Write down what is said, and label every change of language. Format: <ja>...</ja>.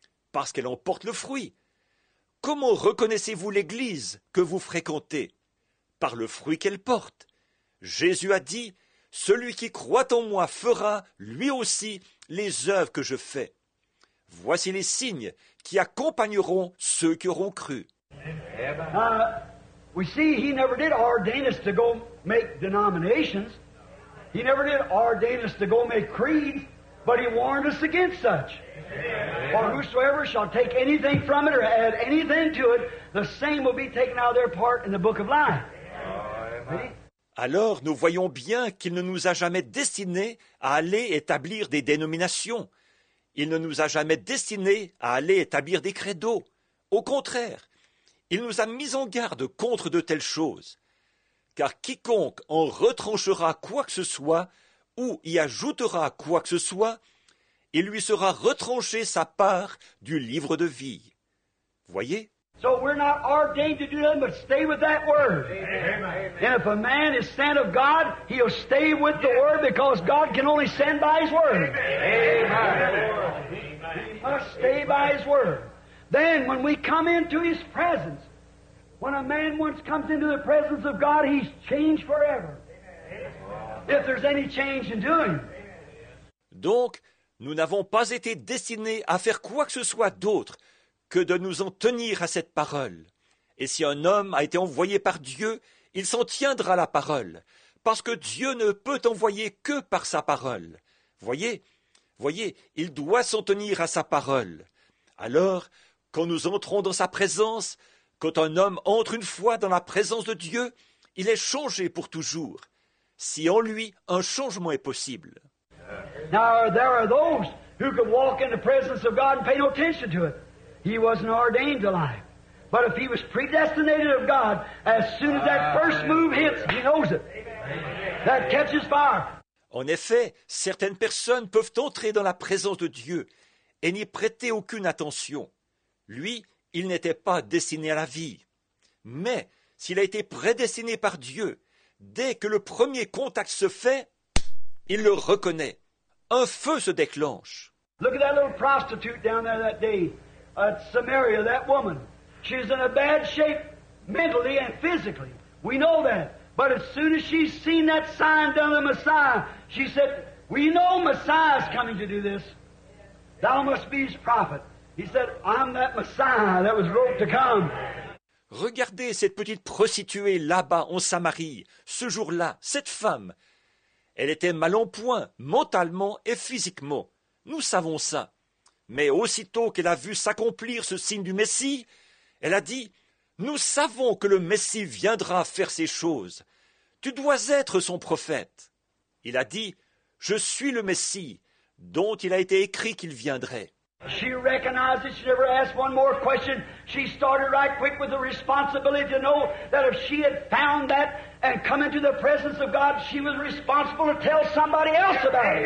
<fr>Parce qu'elle en porte le fruit. Comment reconnaissez-vous l'église que vous fréquentez? Par le fruit qu'elle porte. Jésus a dit, « Celui qui croit en moi fera, lui aussi, les œuvres que je fais. » Voici les signes qui accompagneront ceux qui auront cru.</fr> <en>We see he never did ordain us to go make denominations. He never did ordain us to go make creeds, but he warned us against such. For whosoever shall take anything from it or add anything to it, the same will be taken out of their part in the book of life.</en> <fr>Alors nous voyons bien qu'il ne nous a jamais destinés à aller établir des dénominations. Il ne nous a jamais destinés à aller établir des credos. Au contraire, il nous a mis en garde contre de telles choses. Car quiconque en retranchera quoi que ce soit ou y ajoutera quoi que ce soit, il lui sera retranché sa part du livre de vie. Voyez ?</fr> <en>So we're not ordained to do nothing but stay with that word. Amen. And if a man is sent of God, he'll stay with the word because God can only send by his word. Amen. He must stay by his word. Then when we come into his presence, when a man once comes into the presence of God, he's changed forever. If there's any change in doing.</en> <fr>Donc, nous n'avons pas été destinés à faire quoi que ce soit d'autre que de nous en tenir à cette parole. Et si un homme a été envoyé par Dieu, il s'en tiendra à la parole, parce que Dieu ne peut envoyer que par sa parole. Voyez, il doit s'en tenir à sa parole. Alors, quand nous entrons dans sa présence, quand un homme entre une fois dans la présence de Dieu, il est changé pour toujours, si en lui un changement est possible.</fr> <en>Now, there are those who can walk in the presence of God and pay no attention to it. He wasn't ordained to life. But if he was predestinated of God, as soon as that first move hits, he knows it. That catches fire.</en> <fr>En effet, certaines personnes peuvent entrer dans la présence de Dieu et n'y prêter aucune attention. Lui, il n'était pas destiné à la vie. Mais s'il a été prédestiné par Dieu, dès que le premier contact se fait, il le reconnaît. Un feu se déclenche.</fr> <en>Look at that little prostitute down there that day. At Samaria, that woman, she's in a bad shape mentally and physically. We know that. But as soon as she's seen that sign done of the Messiah, she said, we know Messiah's coming to do this. Thou must be his prophet. He said, I'm that Messiah that was wrote to come.</en> <fr>Regardez cette petite prostituée là-bas en Samarie, ce jour-là, cette femme. Elle était mal en point, mentalement et physiquement. Nous savons ça. Mais aussitôt qu'elle a vu s'accomplir ce signe du Messie, elle a dit, « Nous savons que le Messie viendra faire ces choses. Tu dois être son prophète. » Il a dit, « Je suis le Messie, dont il a été écrit qu'il viendrait. »</fr> <en>She recognized it. She never asked one more question. She started right quick with the responsibility to know that if she had found that and come into the presence of God, she was responsible to tell somebody else about it.</en>